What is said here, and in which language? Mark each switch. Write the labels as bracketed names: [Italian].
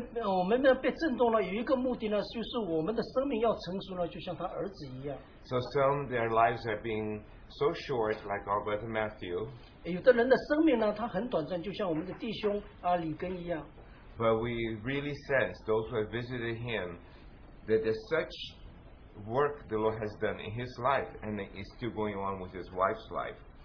[Chinese] 我们被震动了，有一个目的呢，就是我们的生命要成熟了，就像他儿子一样。 [English] So some their lives are being so short, like our brother Matthew. [Chinese] 有的人的生命呢，他很短暂，就像我们的弟兄啊，李根一样。 [English] But we really sense those who have visited him that there's such work the Lord has done in his life and is still going on with his wife's life.